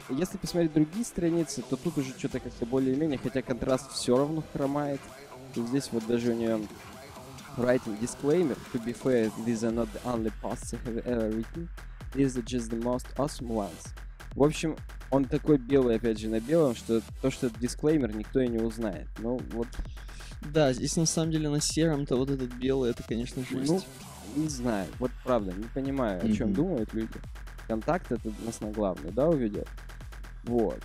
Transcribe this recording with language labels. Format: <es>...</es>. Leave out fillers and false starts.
<ru>Если посмотреть другие страницы, то тут уже что-то как-то более-менее, хотя контраст все равно хромает. И здесь вот даже у нее...</ru> <en>Writing disclaimer, to be fair, these are not the only posts I have ever written, these are just the most awesome ones.</en> <ru>В общем, он такой белый, опять же, на белом, что то, что это дисклеймер, никто и не узнает. Ну, вот. Да, здесь на самом деле на сером-то вот этот белый, это, конечно, жесть. Ну, не знаю, вот правда, не понимаю, о чем думают люди. Контакт это основной главный, да, увидят? Вот.</ru>